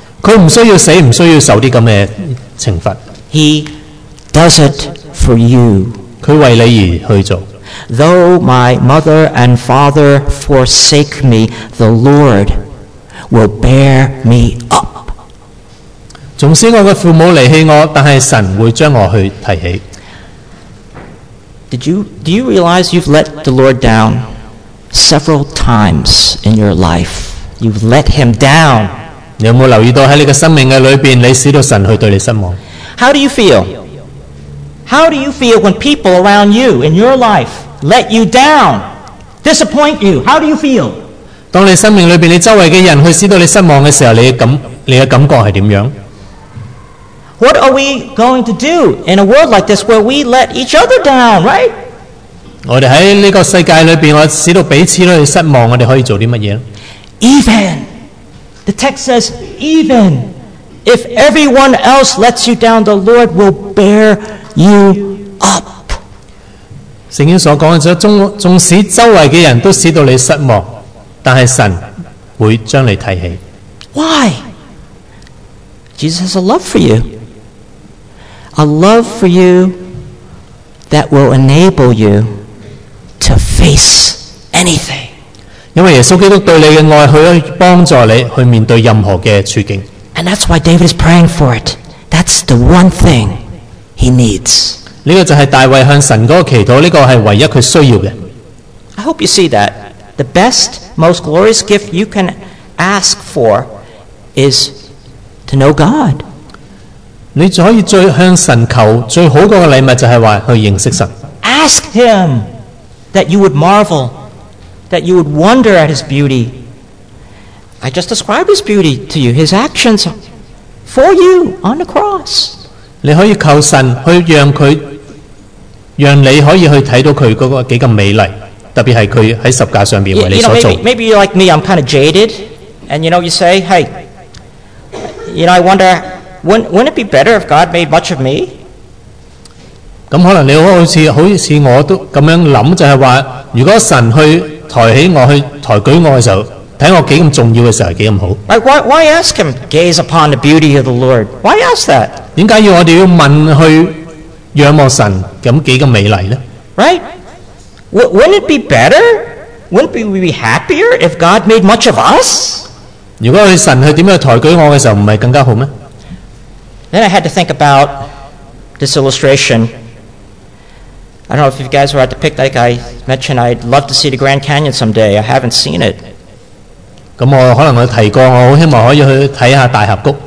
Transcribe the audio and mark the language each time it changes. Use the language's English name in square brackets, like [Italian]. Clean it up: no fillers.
[Cantonese] 佢唔需要死，唔需要受啲咁嘅懲罰。 [English] He does it for you. [Cantonese] 佢為你而去做。 [English] Though my mother and father forsake me, the Lord will bear me up. [Cantonese] 縱使我嘅父母離棄我，但係神會將我去提起。 [English] Do you realize you've let the Lord down? Several times in your life, you've let him down. [Cantonese] 你有冇留意到喺你嘅生命嘅里边，你使到神去对你失望 [English] ？How do you feel? How do you feel when people around you in your life let you down, disappoint you? How do you feel? [Cantonese] 当你生命里边你周围嘅人去使到你失望嘅时候，你嘅感觉系点样 [English] ？What are we going to do in a world like this where we let each other down, right? [Cantonese] 我哋喺呢个世界里边，我使到彼此都去失望。我哋可以做啲乜嘢咧 [English] ？Even the text says, even if everyone else lets you down, the Lord will bear you up。 [Cantonese] 圣经所讲嘅就纵使周围嘅人都使到你失望，但系神会将你提起。 [English] Why? Jesus has a love for you, a love for you that will enable you. To face anything, [Cantonese] 因为耶稣基督对你嘅爱，佢可以帮助你去面对任何嘅处境。 [English] And that's why David is praying for it. That's the one thing he needs. [Cantonese] 呢个就系大卫向神嗰个祈祷，呢个系唯一佢需要嘅。 [English] I hope you see that the best, most glorious gift you can ask for is to know God. [Cantonese] 你就可以最向神求最好嗰个礼物，就系话去认识神。 [English] Ask him. That you would marvel, that you would wonder at his beauty. I just described his beauty to you, his actions for you on the cross. [Cantonese] 你可以求神去让佢，让你可以去睇到佢嗰个几咁美丽，特别系佢喺十架上边为你所做。 [English] You know, maybe you're like me, I'm kind of jaded, and you know, you say, hey, you know, I wonder, wouldn't it be better if God made much of me? [Cantonese] 咁可能你好似我都咁样谂，就系话，如果神去抬起我，去抬举我嘅时候，睇我几咁重要嘅时候，几咁好。 [English] Like why ask him gaze upon the beauty of the Lord? Why ask that? [Cantonese] 点解要我哋要问去仰望神咁几咁美丽咧 [English] ？Right? Wouldn't it be better? Wouldn't we be happier if God made much of us? [Cantonese] 如果神去点样抬举我嘅时候，唔系更加好咩 [English] ？Then I had to think about this illustration. I don't know if you guys were at the picnic I mentioned. I'd love to see the Grand Canyon someday. I haven't seen it. [Cantonese] 咁我可能我提过，我好希望可以去睇下大峡谷。